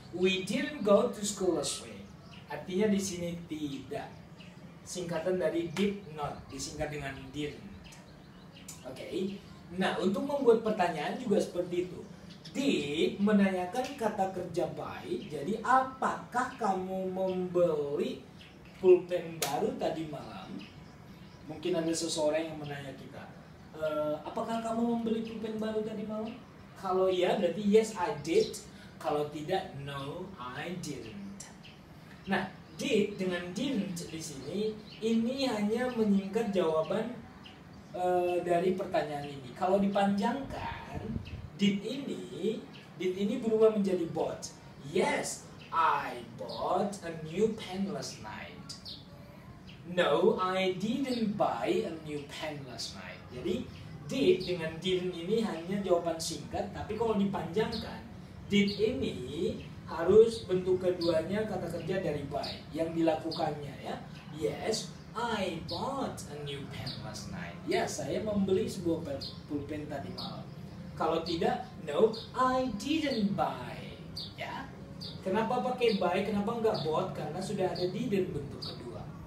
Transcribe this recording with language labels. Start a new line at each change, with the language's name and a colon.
English: We didn't go to school last week.
Indonesian: Artinya di sini tidak. Singkatan dari did not, disingkat dengan didn't. Okay. Nah, untuk membuat pertanyaan juga seperti itu. Did menanyakan kata kerja baik. Jadi, apakah kamu membeli pulpen baru tadi malam? Mungkin ada seseorang yang menanya kita, apakah kamu membeli pulpen baru tadi malam? Kalau iya, berarti
English: yes, I did.
Indonesian: Kalau tidak,
English: no, I didn't.
Indonesian: Nah, did dengan didn't di sini, ini hanya menyingkat jawaban dari pertanyaan ini. Kalau dipanjangkan, did ini berubah menjadi bought.
English: Yes, I bought a new pen last night. No, I didn't buy a new pen last night.
Indonesian: Jadi, did dengan didn't ini hanya jawaban singkat. Tapi kalau dipanjangkan, did ini harus bentuk keduanya kata kerja dari buy yang dilakukannya, ya. Yes, I bought a new pen last night. Ya, saya membeli sebuah pulpen tadi malam. Kalau tidak,
English: no, I didn't buy.
Indonesian: Ya, kenapa pakai buy? Kenapa enggak bought? Karena sudah ada didn't bentuk kedua.